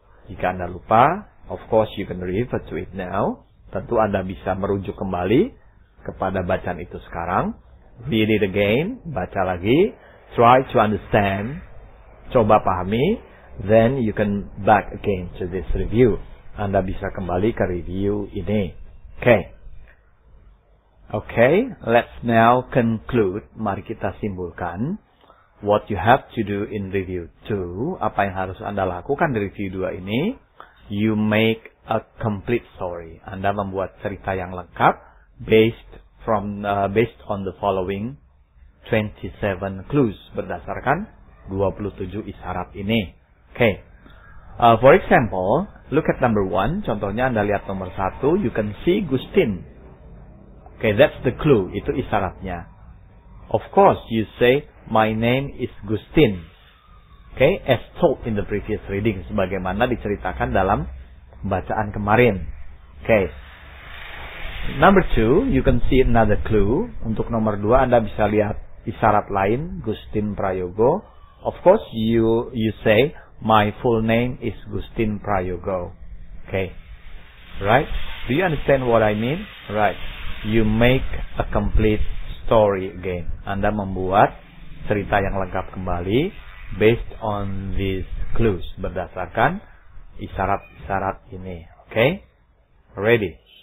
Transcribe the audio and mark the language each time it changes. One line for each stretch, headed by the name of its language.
English: Jika Anda lupa, of course, you can refer to it now.
Indonesian: Tentu Anda bisa merujuk kembali kepada bacaan itu sekarang.
English: Read it again, baca lagi. Try to understand, coba pahami, then you can back again to this review.
Indonesian: Anda bisa kembali ke review ini.
English: Okay. Okay, let's now conclude.
Indonesian: Mari kita simpulkan. What you have to do in review 2, apa yang harus Anda lakukan di review 2 ini?
English: You make a complete story. Anda membuat cerita yang lengkap based on the following 27 clues, berdasarkan 27 isyarat ini. Okay. For example, look at number 1. Contohnya Anda lihat nomor 1, you can see Gustin. Okay, that's the clue. Itu isyaratnya. Of course, you say, my name is Gustin. Okay, as told in the previous reading, sebagaimana diceritakan dalam bacaan kemarin. Okay. Number two, you can see another clue.
Indonesian: Untuk nomor dua, Anda bisa lihat isyarat lain, Gustin Prayogo.
English: Of course, you say, my full name is Gustin Prayogo. Okay. Right? Do you understand what I mean? Right. You make a complete story again. Anda membuat cerita yang lengkap kembali based on these clues, berdasarkan isyarat-isyarat ini. Okay? Ready.